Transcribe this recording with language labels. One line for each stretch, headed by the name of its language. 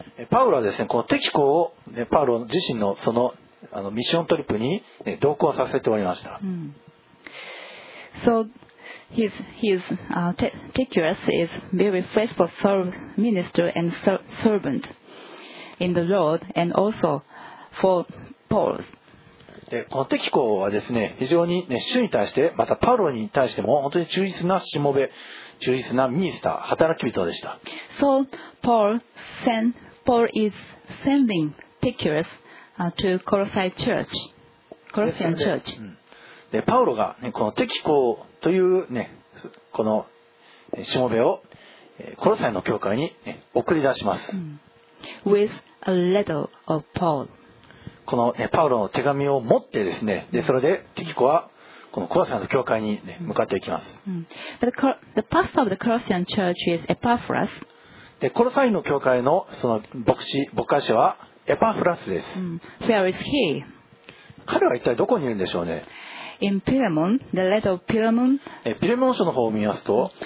Japanese: パウロはですね、このテキコを、ね、パウロ自身のそのミッショントリップに、ね、同行させておりました。
English: So his Tychicus is very faithful minister and servant in the Lord and also for Paul.
Japanese: で、このテキコはですね、非常に、ね、主に対して、またパウロに対しても本当に忠実なしもべ、忠実なミニスター、働き人でした。
English: So Paul is sending Tychicus. To Colossae Church, Colossian Church.
Japanese: で、パウロが、ね、このテキコという、ね、このしもべをコロサイの教会に、ね、送り出します。
English: With a letter of Paul.
Japanese: この、ね、パウロの手紙を持ってですね、で、それでテキコはこのコロサイの教会に、ね、向かっていきます。
English: But the pastor of the Colossian Church is Epaphras.
Japanese: で、コロサイの教会のその牧会者は。エパフラスです。
English: Where is he?
Japanese: 彼は一体どこにいるんでしょうね。
English: In Philemon, the letter of Philemon.
Japanese: ピレモン書の方を見ますと、